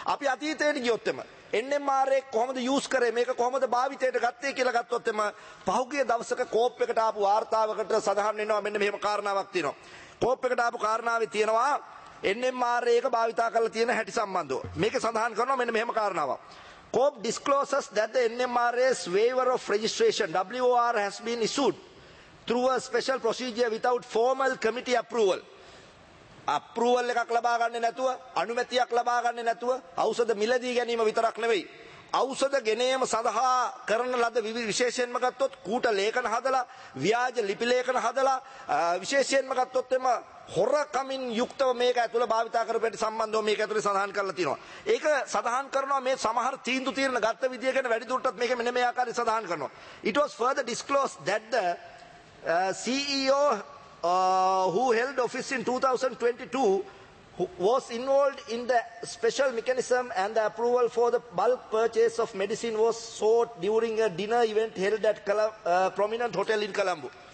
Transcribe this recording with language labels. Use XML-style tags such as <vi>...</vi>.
<si>අපි අතීතයට ගියොත් එම NMRA කොහොමද යූස් කරේ, මේක කොහොමද භාවිතයට ගත්තේ කියලා ගත්තොත් එම පහුගිය දවසක කෝප් එකට ආපු වාර්තාවකට සඳහන් වෙනවා මෙන්න මෙහෙම කාරණාවක් තියෙනවා. කෝප් එකට ආපු කාරණාවේ තියෙනවා NMRA එක භාවිතා කරලා තියෙන හැටි සම්බන්ධව. මේක සඳහන් කරනවා මෙන්න මෙහෙම කාරණාවක්.</si> <en>COOP discloses that the NMRA's waiver of registration WOR has been issued through a special procedure without formal committee approval.</en> <si>Approval එකක් ලබා ගන්නේ නැතුව, අනුමැතියක් ලබා ගන්නේ නැතුව, ඖෂධ මිලදී ගැනීම විතරක් නෙවෙයි ඖෂධ ගෙනීම සඳහා කරන ලද විශේෂයෙන්ම ගත්තොත් කූට ලේඛන හදලා ව්‍යාජ ලිපි ලේඛන හදලා විශේෂයෙන්ම ගත්තොත් එම හොරකමින් යුක්තව මේක ඇතුළේ භාවිතා කරපැටි සම්බන්ධව මේක ඇතුළේ සඳහන් කරලා තියෙනවා. ඒක සඳහන් කරනවා මේ සමහර තීන්දුව తీරන ගත්ත විදිය ගැන වැඩිදුරටත් මේක මෙන්න මේ ආකාරයට සඳහන් කරනවා.</si> <en>It was further disclosed that the CEO who held office in 2022 was involved in the special mechanism and the approval for the bulk purchase of medicine was sought during a dinner event held at a prominent hotel in Colombo.</en>